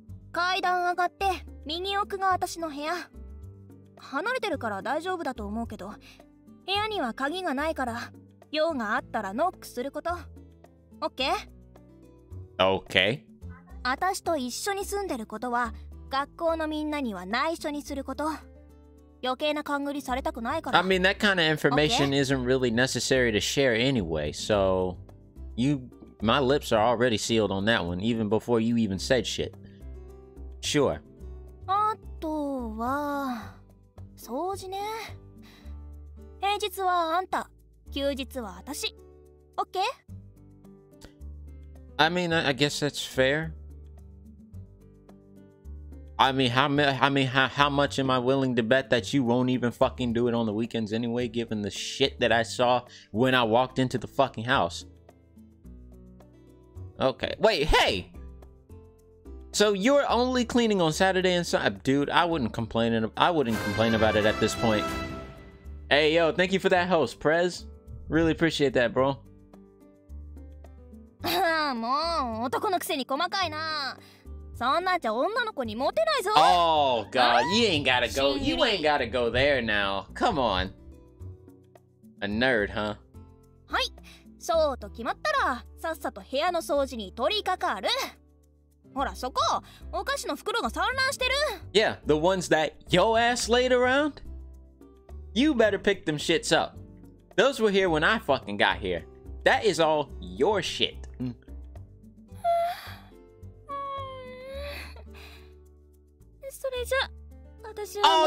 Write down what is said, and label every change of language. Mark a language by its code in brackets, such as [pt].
[ja] 階段上がって右奥が私の部屋。離れてるから大丈夫だと思うけど、部屋には鍵がないから用があったらノックすること。 [en] Okay? Okay. [ja] 私と一緒に住んでることは学校のみんなには内緒にすること。余計な勘繰りされたくないから。 [en] I mean, that kind of information isn't really necessary to share anyway, so... My lips are already sealed on that one, even before you even said shit. Sure. [ja] あとは、掃除ね。平日はあんた、休日は私。 [en] Okay? I mean, I guess that's fair. I mean, how much am I willing to bet that you won't even fucking do it on the weekends anyway, given the shit that I saw when I walked into the fucking house? Okay, wait, hey! So you're only cleaning on Saturday and Sunday? Dude, I wouldn't complain about it at this point. Hey, yo, thank you for that host, Prez. Really appreciate that, bro. [ja] もう男のくせに細かいな。そんなんじゃ女の子にモテないぞ。 [en] Oh, God, you ain't gotta go there now. Come on. A nerd, huh? [ja] はい。そうと決まったら、さっさと部屋の掃除に取り掛かる。ほら、そこ、お菓子の袋が散乱してる。 [en] Yeah, the ones that your ass laid around? You better pick them shits up. Those were here when I fucking got here. That is all your shit. [ja] それじゃ、私は、